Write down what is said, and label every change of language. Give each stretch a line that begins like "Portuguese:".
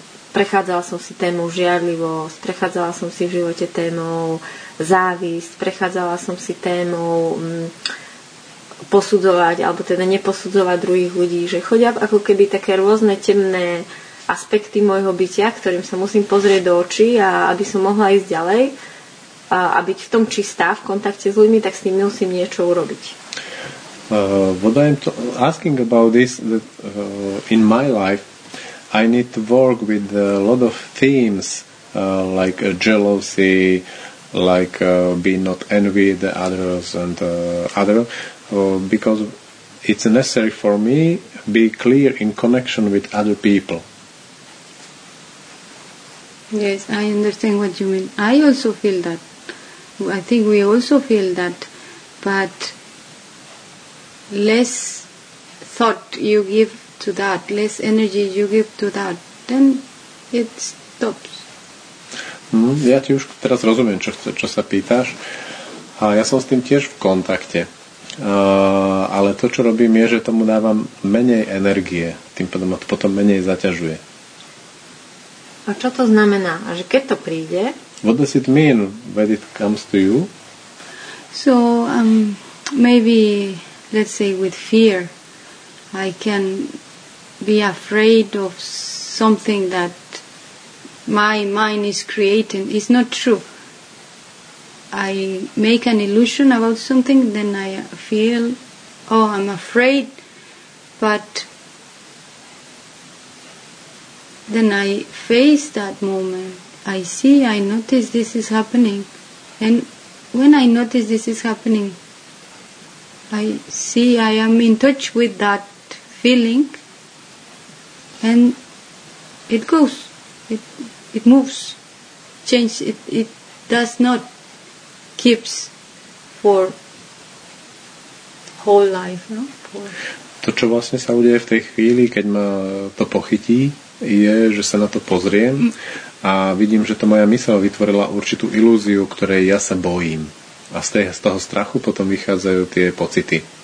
Slovak: Prechádzala som si tému žiarlivosť, prechádzala som si v živote tému závisť, prechádzala som si tému posudzovať, alebo teda neposudzovať druhých ľudí, že chodia ako keby také rôzne temné aspekty môjho bytia, ktorým sa musím pozrieť do očí, a aby som mohla ísť ďalej a byť v tom čistá v kontakte s ľuďmi, tak s nimi musím niečo urobiť.
English: What I'm asking about is that in my life I need to work with a lot of themes like jealousy, like be not envy the others and other, because it's necessary for me be clear in connection with other people. Yes, I understand what you mean. I also feel that. I think we also feel that. But less thought you give to that, less energy you give to that, then it stops.
Slovak: Ja ti už teraz rozumiem, čo sa pýtaš. A ja som s tým tiež v kontakte. Ale to, čo robím, je, že tomu dávam menej energie. Tým pádom to potom menej zaťažuje. A čo to znamená? A že keď to príde?
English: What does it mean when it comes to you? So, maybe, let's say, with fear, I can be afraid of something that my mind is creating. It's not true. I make an illusion about something, then I feel, oh, I'm afraid, but then I face that moment. I see, I notice this is happening. And when I notice this is happening, I see I am in touch with that feeling. And it goes. It moves. Change. It does not keep for whole life. No?
Slovak: To, čo vlastne sa udeje v tej chvíli, keď ma to pochytí, je, že sa na to pozriem a vidím, že to moja myseľ vytvorila určitú ilúziu, ktorej ja sa bojím. A z toho strachu potom vychádzajú tie pocity.